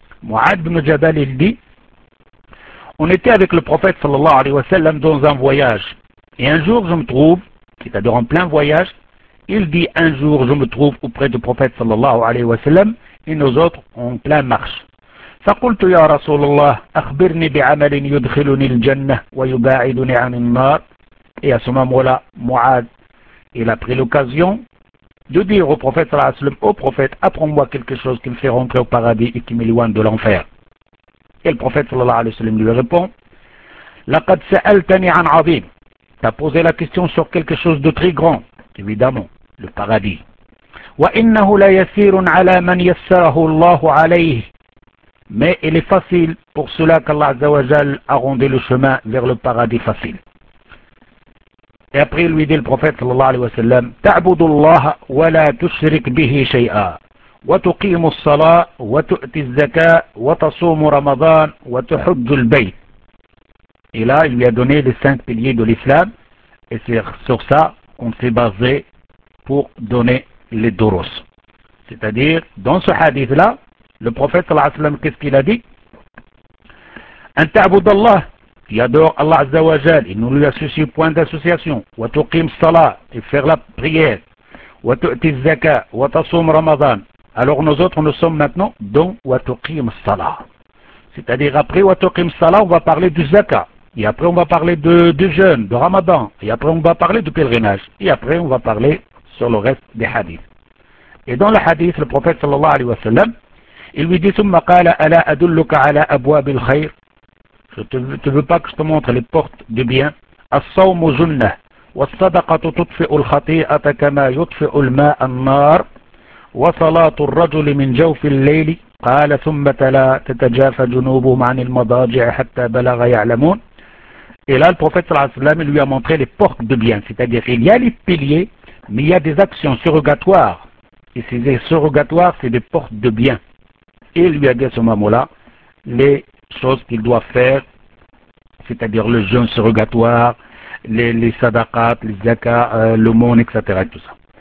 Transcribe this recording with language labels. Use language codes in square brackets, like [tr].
[ar] معاذ بن جبل لي. [fr] On était avec le prophète صلى الله عليه وسلم dans un voyage. Et un jour je me trouve, c'est-à-dire en plein voyage, il dit un jour je me trouve auprès du prophète صلى الله عليه وسلم et nous autres en plein marche. [ar] فقلت يا رسول الله أخبرني بعمل يدخلني الجنة ويباعدني عن النار. [fr] Et à ce moment-là, Mu'ad, il a pris l'occasion de dire au prophète, sallallahu alayhi wa sallam, au prophète, apprends-moi quelque chose qui me fait rentrer au paradis et qui m'éloigne de l'enfer. Et le prophète, sallallahu alayhi wa sallam, lui répond, [ar] لَقَدْ سَأَلْتَنِي عَنْ عَظِيمٍ. [fr] T'as posé la question sur quelque chose de très grand, évidemment, le paradis. [ar] وَإِنَّهُ لَيَسِيرٌ عَلَى مَنْ يَسَّرَهُ اللَّهُ عَلَيْهِ. [fr] Mais il est facile pour cela qu'Allah azza wa jal a rendu le chemin vers le paradis facile. Et après lui dit le prophète sallallahu alayhi wa sallam, [ar] تعبد الله ولا تشرك به شيئا وتقيم الصلاة وتؤتي الزكاة وتصوم رمضان وتحج البيت. [fr] Et là il lui a donné les cinq piliers de l'islam et c'est sur ça qu'on s'est basé pour donner les durus. C'est-à-dire dans ce hadith là le prophète sallallahu alayhi wa sallam qu'est-ce qu'il a dit? [ar] ان تعبد الله. [fr] Il adore Allah Azza wa Jal, il ne lui associe point d'association. [ar] Wa tuqim salat, [fr] et faire la prière. [ar] Wa tu'ti zaka, wa tasum ramadan. [fr] Alors nous autres, nous sommes maintenant dans wa tuqim salat. C'est-à-dire après wa tuqim salat, on va parler du zaka. Et après on va parler de jeûne, de ramadan. Et après on va parler du pèlerinage. Et après on va parler sur le reste des hadiths. Et dans le hadith, le prophète sallallahu alayhi wa sallam, il lui dit, [ar] summa qala ala adulluka ala abwab al khayr. [fr] Tu veux pas que je te montre les portes du bien? [ar] الصوم جنة والصدقة تطفئ الخطيئة كما يطفئ الماء النار وصلاة الرجل من جوف الليل. قال ثم تلا تتجافى جنوبهم عن المضاجع حتى بلغ يعلمون. [fr] Et là le prophète صلى الله عليه وسلم lui a montré les portes du bien, c'est-à-dire il y a les piliers mais il y a des actions surrogatoires et ces surrogatoires c'est des portes de bien. Et il lui a dit à ce moment-là les choses qu'il doit faire, c'est-à-dire le jeûne surrogatoire, les sadaqat, les zakat, le monde, etc. Et tout ça.